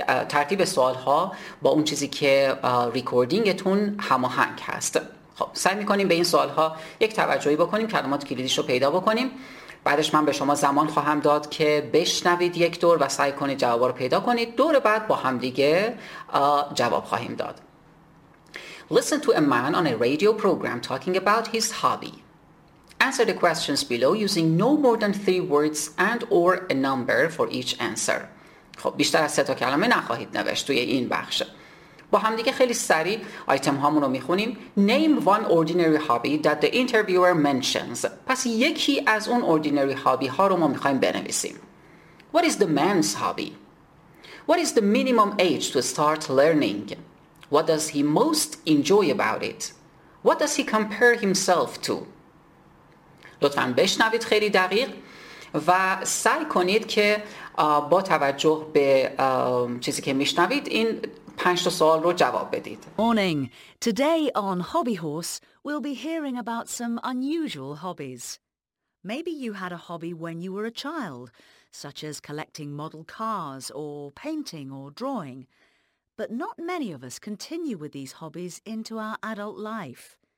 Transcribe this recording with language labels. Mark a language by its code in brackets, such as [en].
[fa] ترتیب سوالها با اون چیزی که ریکوردینگتون هماهنگ هست خب سعی میکنیم به این سوالها یک توجهی بکنیم کلمات کلیدیش رو پیدا بکنیم بعدش من به شما زمان خواهم داد که بشنوید یک دور و سعی کنید جواب رو پیدا کنید دور بعد با هم دیگه جواب خواهیم داد [en] Listen to a man on a radio program talking about his hobby. Answer the questions below using no more than 3 words and or a number for each answer. [fa] خب بیشتر از 3 تا کلمه نخواهید نوشت توی این بخش. با هم دیگه خیلی سریع آیتم هامون رو میخونیم. [en] Name one ordinary hobby that the interviewer mentions. [fa] پس یکی از اون ordinary hobby ها رو ما میخواییم بنویسیم. [en] What is the man's hobby? What is the minimum age to start learning? What does he most enjoy about it? What does he compare himself to? [fa] لطفاً بشنوید خیلی دقیق و سعی کنید که با توجه به چیزی که میشنوید این پنج تا سوال رو جواب بدید. [en] Morning. Today on Hobby Horse, we'll be hearing about some unusual hobbies. Maybe you had a hobby when you were a child, such as collecting model cars or painting or drawing. But not many of us continue with these hobbies into our adult life.